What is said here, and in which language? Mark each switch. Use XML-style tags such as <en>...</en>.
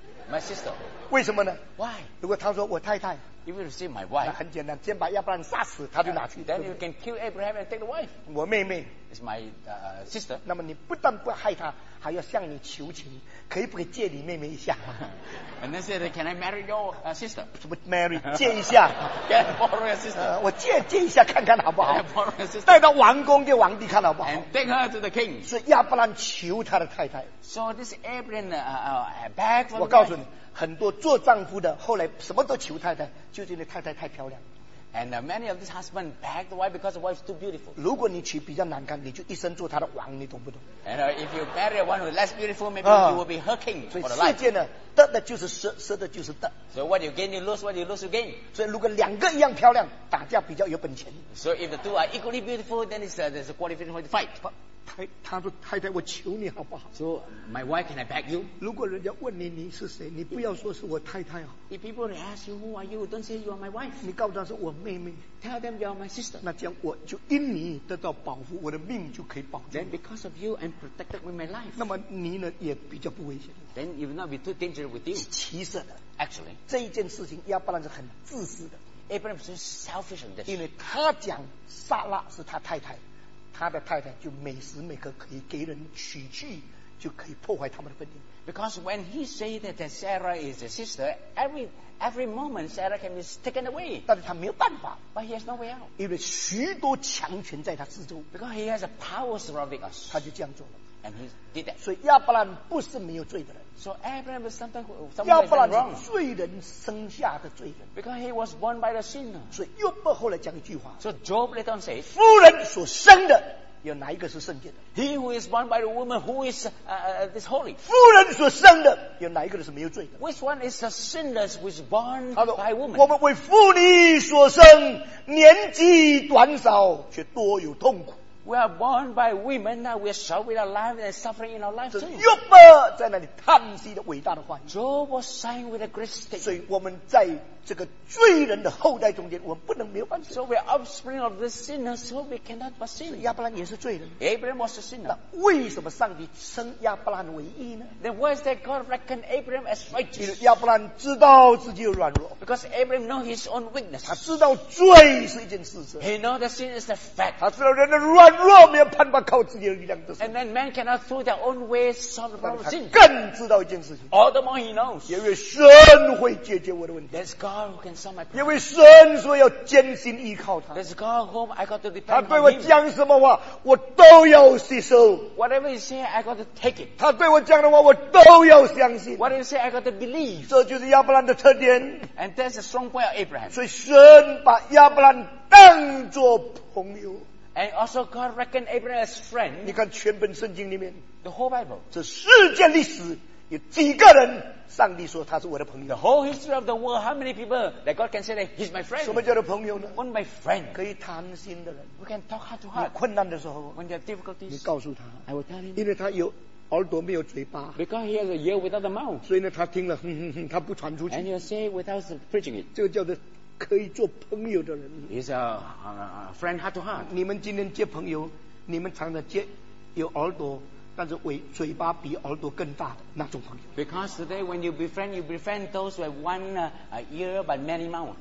<en>，my sister，</en> <zh>为什么呢</zh> <en>？Why？</en> <zh>如果他说我太太</zh> <en>，if you say my wife，</en> <zh>那很简单，先把亚伯兰杀死，他就拿去。</zh> <en>Then you can kill Abraham and take the wife。</en> <zh>我妹妹</zh> <en>，is my sister。</en> <zh>那么你不但不害他，还要向你求情，可以不可以借你妹妹一下</zh> <en>？And they said， can I marry your sister？</en> <zh>什么 marry？ 借一下</zh> <en>，can I borrow your sister？</en> <zh>我借一下看看好不好</zh> <en>？Can I borrow your sister？</en> <zh>带到王宫给王帝看好不好</zh> <en>？And take her to the king。</en> <zh>所以亚伯兰求他的太太。</zh> <en>So this Abraham back from.</en> <zh>我告诉你，很多做丈夫的后来什么都求太太，就是因为太太太漂亮。</zh> <en>And many of these husbands beg the wife because the wife is too beautiful.</en> <zh>如果你娶比较难看，你就一生做她的王，你懂不懂</zh> <en>？And if you marry one who is less beautiful, maybe you will be her king for the life.</en> <zh>所以世界呢，得的就是失，失的就是得。</zh> <en>So what you gain, you lose. What you lose, you gain.</en> <zh>所以如果两个一样漂亮，打架比较有本钱。</zh> <en>So if the two are equally beautiful, then it's there's a qualification for the fight.</en> <zh>他说太太，我求你好不好</zh> <en>？So my wife, can I beg you？</en> <zh>如果人家问你你是谁，你不要说是我太太哦。</zh> <en>If people ask you who are you, don't say you are my wife。</en> <zh>你告诉他是我妹妹。</zh> <en>Tell them you are my sister。</en> <zh>那这样我就因你得到保护，我的命就可以保住。</zh> <en>Then because of you, I'm protected with my life。</en> <zh>那么你呢也比较不危险。</zh> <en>Then you will not be too dangerous with you。</en> <zh>其实的</zh> <en>，actually，</en> <zh>这一件事情亚伯兰是很自私的。</zh> <en>Abraham is selfish in this.</en> <zh>因为他讲撒拉是他太太，他的太太就每时每刻可以给人娶去，就可以破坏他们的婚姻。</zh> <en>Because when he said that Sarah is a sister, every moment Sarah can be taken away.</en> <zh>但是他没有办法。</zh> <en>But he has no way out.</en> <zh>因为许多强权在他四周。</zh> <en>Because he has a power surrounding us.</en> <zh>他就这样做了。</zh> <en>And he did that.</en> <zh>所以亚伯兰不是没有罪的人。</zh> <en>So Abraham was something who was wrong.</en> <zh>亚伯兰是罪人生下的罪人。</zh> <en>Because he was born by the sinner.</en> <zh>所以约伯后来讲一句话。</zh> <en>So Job later on says,</en> <zh>夫人所生的有哪一个是圣洁的？</zh> <en>He who is born by the woman who is this holy.</en> <zh>夫人所生的有哪一个是没有罪的？</zh> <en>Which one is a sinner who is born by woman?</en> <zh>我们为妇女所生，年纪短少，却多有痛苦。</zh> <en>We are born by women, now we are short with our life and suffering in our life too.</en> <zh>约伯在那里叹息的伟大的话语。</zh> <en>Job was saying with a great statement.</en> <zh>所以我们在这个罪人的后代中间，我们不能没有犯罪。</zh> <en>So we are offspring of the sinner, so we cannot but sin.</en> <zh>亚伯兰也是罪人。</zh> <en>Abraham was a sinner.</en> <zh>那为什么上帝称亚伯兰为义呢？</zh> <en>Then why is that God reckon Abraham as righteous?</en> <zh>亚伯兰知道自己有软弱。</zh> <en>Because Abraham knows his own weakness.</en> <zh>他知道罪是一件事实。</zh> <en>He knows that sin is a fact.</en> <zh>他知道人的软弱。若没有办法靠自己的力量的事</zh> <en>，And then man cannot through their own way solve the problem.</en> <zh>他更知道一件事情</zh> <en>，All the more he knows.</en> <zh>因为神会解决我的问题</zh> <en>，There's God who can solve my problem.</en> <zh>因为神说要坚信依靠他</zh> <en>，There's God whom I got to depend on.</en> <zh>他对我讲什么话，我都要吸收</zh> <en>，Whatever he say, I got to take it.</en> <zh>他对我讲的话，我都要相信</zh> <en>，Whatever he say, I got to believe.</en> <zh>这就是亚伯兰的特点</zh> <en>，And that's a strong point of Abraham.</en> <zh>所以神把亚伯兰当作朋友。</zh> <en>And also God reckoned Abraham as friend.</en> <zh>你看全本圣经里面</zh> <en>The whole Bible.</en> <zh>这世界历史有几个人上帝说他是我的朋友</zh> <en>The whole history of the world, how many people that God can say that he's my friend?</en> <zh>什么叫做朋友呢</zh> <en>One my friend.</en> <zh>可以谈心的人</zh> <en>We can talk heart to heart.</en> <zh>有困难的时候</zh> <en>When there are difficulties.</en> <zh>你告诉他</zh> <en>I will tell him.</en> <zh>因为他有耳朵没有嘴巴</zh> <en>Because he has a ear without the mouth.</en> <zh>所以呢他听了他不传出去</zh> <en>And he'll say without preaching it.</en> <zh>这个叫做可以做朋友的人</zh> <en>He's a friend heart to heart</en> <zh>你们今天接朋友你们常常接有耳朵但是嘴巴比耳朵更大的那种朋友</zh> <en>Because today when you befriend those who have one ear but many mouth</en>